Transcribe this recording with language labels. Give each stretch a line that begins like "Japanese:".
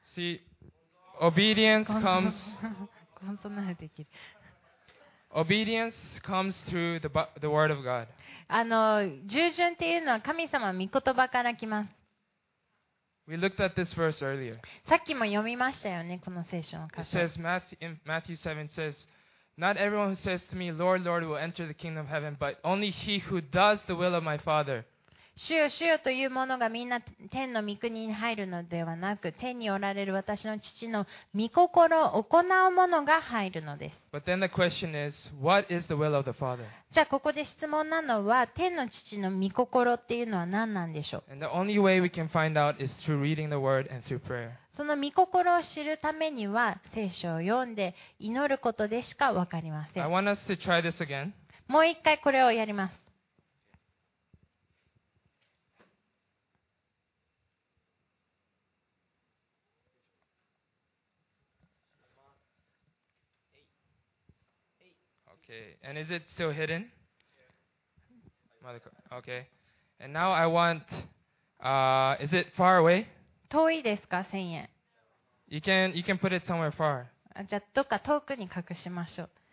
English: See, obedience comes...
Japanese: コンソならできる。
English: Obedience comes through the word of God.
Japanese: 従順っていうのは神様の御言葉から来ます。
English: We looked at this verse earlier.
Japanese: さっきも読みましたよね、この聖書の箇所。
English: It says Matthew 7 says, "Not everyone who says to me, 'Lord, Lord,' will enter the kingdom of heaven, but only he who does the will of my Father."
Japanese: 主よ、主よという者がみんな天の御国に入るのではなく、天におられる私の父の御心を行う者が入るのです。
English: But then the question is, what is the will of the Father?
Japanese: じゃあここで質問なのは、天の父の御心っていうのは何なんでしょう?
English: And the only way we can find out is through reading the word and through prayer.
Japanese: その御心を知るためには、聖書を読んで祈ることでしかわかりません。
English: I want us to try this again.
Japanese: もう一回これをやります。
English: Okay, and is it still hidden? Okay. And now I want, is it far away?
Japanese: 遠いですか、千円。
English: You can put it somewhere far.
Japanese: じゃあ、どっか遠くに隠しましょう。